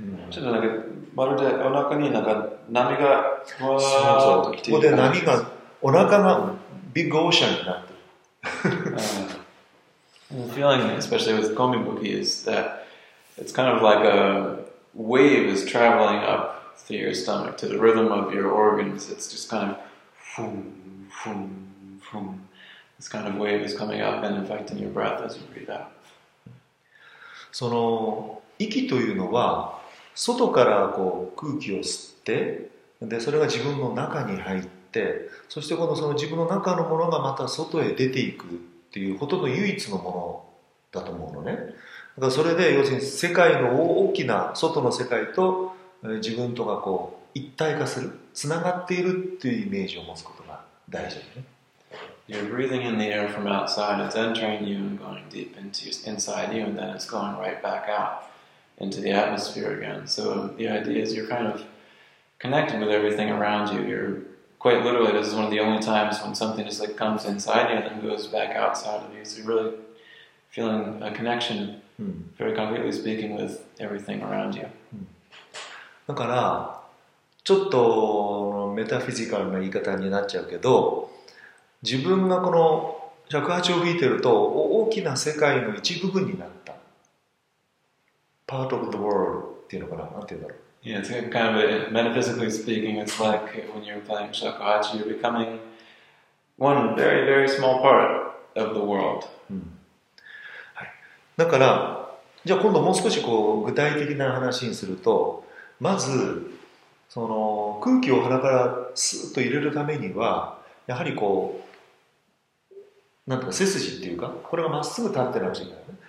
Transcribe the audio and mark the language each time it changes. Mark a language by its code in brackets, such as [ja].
[ja] ちょっとなんかまるでお腹になんか波がわーっと来ている、ここで波がお腹がビッグオーシャンになって [en] る、The feeling especially with Komi Buki is that it's kind of like a wave is traveling up through your stomach to the rhythm of your organs. It's just kind of foom, foom, foom. This kind of wave is coming up and affecting your breath as you breathe out. [ja] その息というのは外からこう空気を吸って、でそれが自分の中に入って、そして今度その自分の中のものがまた外へ出ていくっていうほとんど唯一のものだと思うのね。だからそれで要するに世界の大きな外の世界と自分とがこう一体化する、つながっているっていうイメージを持つことが大事ね。 [en] You're breathing in the air from outside, it's entering you and going deep into inside you, and then it's going right back out into the atmosphere again. So the idea is you're kind of connected with everything around you. You're quite literally, this is one of the only times when something just like comes inside you and then goes back outside of you. So you're really feeling a connection, very concretely speaking, with everything around you. [ja] だから、ちょっとメタフィジカルな言い方になっちゃうけど、自分がこの尺八を吹いてると大きな世界の一部分になった。 [en] Part of the world [ja] っていうのかな、なんて言うんだろう。 [en] Yeah, it's kind of a, metaphysically speaking, it's like when you're playing 尺八, you're becoming one very, very small part of the world.、 [ja] はい、だから、じゃあ今度もう少しこう具体的な話にすると、まずその空気を鼻からスーッと入れるためには、やはりこう、なんとか背筋っていうか、これがまっすぐ立ってなくちゃいけない、ね。